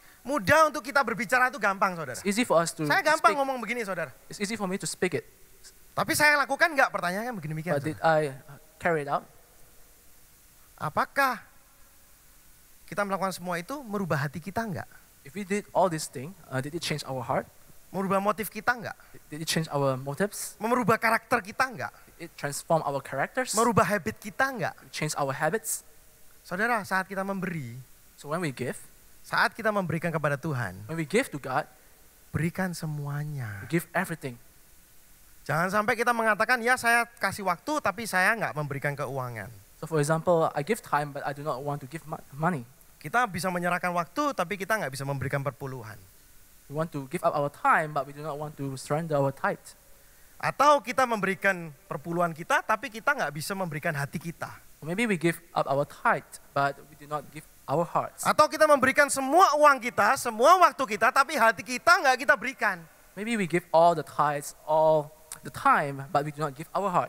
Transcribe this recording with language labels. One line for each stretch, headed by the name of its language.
Indonesian: Mudah untuk kita berbicara itu gampang, saudara.
English: It's easy for us to
Indonesian: saya gampang speak. Ngomong begini, saudara.
English: It's easy for me to speak it.
Indonesian: Tapi saya lakukan enggak, pertanyaannya begini begini.
English: But did I carry it out?
Indonesian: Apakah kita melakukan semua itu merubah hati kita enggak?
English: If we did all this thing, did it change our heart?
Indonesian: Merubah motif kita enggak?
English: Did it change our motives?
Indonesian: Merubah karakter kita enggak?
English: Did it transform our characters?
Indonesian: Merubah habit kita enggak?
English: Change our habits?
Indonesian: Saudara, saat kita memberi,
English: so when we give,
Indonesian: saat kita memberikan kepada Tuhan,
English: when we give to God,
Indonesian: berikan semuanya.
English: We give everything.
Indonesian: Jangan sampai kita mengatakan, ya saya kasih waktu, tapi saya enggak memberikan keuangan.
English: So for example, I give time, but I do not want to give money.
Indonesian: Kita bisa menyerahkan waktu, tapi kita enggak bisa memberikan perpuluhan.
English: We want to give up our time, but we do not want to surrender our tithe.
Indonesian: Atau kita memberikan perpuluhan kita, tapi kita enggak bisa memberikan hati kita.
English: Maybe we give up our tithe, but we do not give our hearts.
Indonesian: Atau kita memberikan semua uang kita, semua waktu kita, tapi hati kita enggak kita berikan.
English: Maybe we give all the tithes, all the time, but we do not give our hearts.